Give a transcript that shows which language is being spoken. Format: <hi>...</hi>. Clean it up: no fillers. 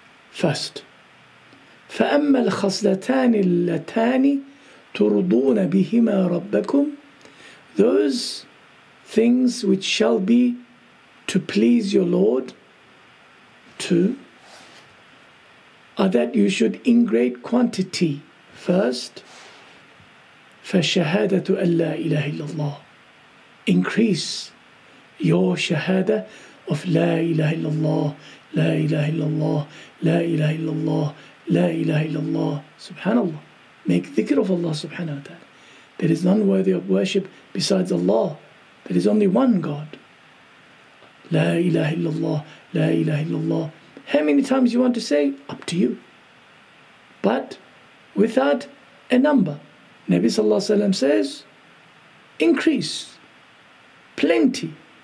<en>First,</en> <ar>فَأَمَّا الْخَصْلَتَانِ اللَّتَانِ تُرْضُونَ بِهِمَا رَبَّكُمْ</ar> <en>Those things which shall be to please your Lord, 2, are that you should in great quantity.</en> <ar>First, فَالشَّهَادَةُ أَنْ لَا إِلَهَ إِلَّا اللَّهِ</ar> <en>Increase your shahada of</en> <ar>لا إله إلا الله, لا إله إلا الله, لا إله إلا الله, La ilaha illallah, subhanallah.</ar> <en>Make dhikr of Allah subhanahu wa ta'ala. There is none worthy of worship besides Allah. There is only one God.</en> <ar>La ilaha illallah, la ilaha illallah.</ar> <en>How many times you want to say, up to you. But without a number. Nabi sallallahu alayhi wa sallam says, increase, plenty.</en>